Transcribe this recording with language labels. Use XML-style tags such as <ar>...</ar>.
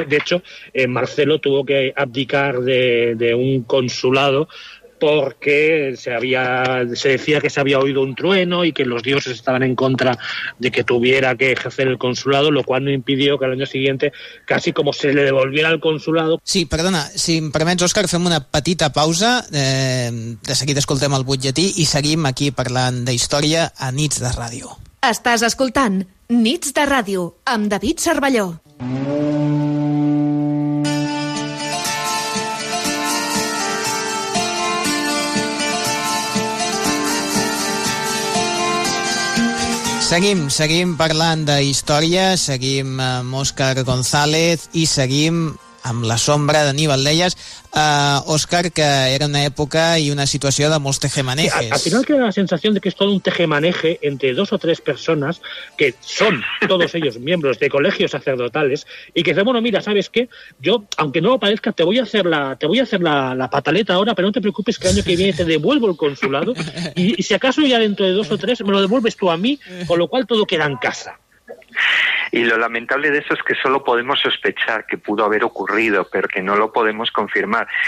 <es>De hecho, Marcelo tuvo que abdicar de un consulado porque se decía que se había oído un trueno y que los dioses estaban en contra de que tuviera que ejercer el consulado, lo cual no impidió que al año siguiente casi como se le devolviera el consulado.</es> <ca>Sí, perdona, si em permets, Òscar, fem una petita pausa, de seguida escoltem el butlletí i seguim aquí parlant d'història a Nits de Ràdio. Estàs escoltant Nits de Ràdio amb David Cervelló. Seguim parlant d'història, seguim amb Òscar González i seguim amb la sombra d'Aníbal. Deies, Òscar, que era una època i una situació de molts tejemanejes. Al final queda la sensació de que és tot un tejemaneje entre 2 o 3 persones que són tots ells membres de col·legis sacerdotals i que diuen, bueno, mira,</ca> <es>¿sabes qué? Yo, aunque no lo parezca, te voy a hacer la pataleta ahora, pero no te preocupes que el año que viene te devuelvo el consulado y si acaso ya dentro de 2 o 3 me lo devuelves tú a mí, con lo cual todo queda en casa. Y lo lamentable de eso es que solo podemos sospechar que pudo haber ocurrido, pero que no lo podemos confirmar.</es>